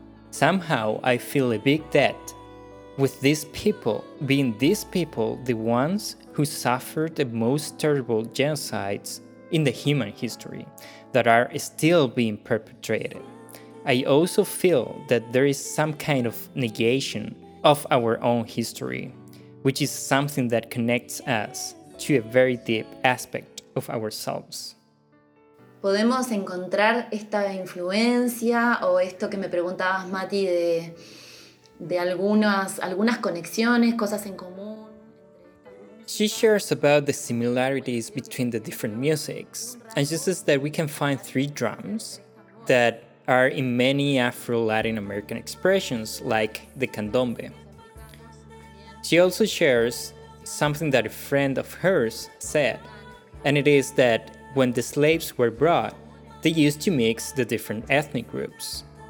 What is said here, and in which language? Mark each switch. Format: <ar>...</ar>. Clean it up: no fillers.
<en>Somehow I feel a big debt with these people, being these people the ones who suffered the most terrible genocides in the human history that are still being perpetrated. I also feel that there is some kind of negation of our own history, which is something that connects us to a very deep aspect of ourselves.</en> <es>Podemos encontrar esta influencia o esto que me preguntabas, Mati, de algunas conexiones, cosas en común.</es> <en>She shares about the similarities between the different musics, and she says that we can find three drums that are in many Afro-Latin American expressions, like the candombe. She also shares something that a friend of hers said, and it is that when the slaves were brought, they used to mix the different ethnic groups.</en>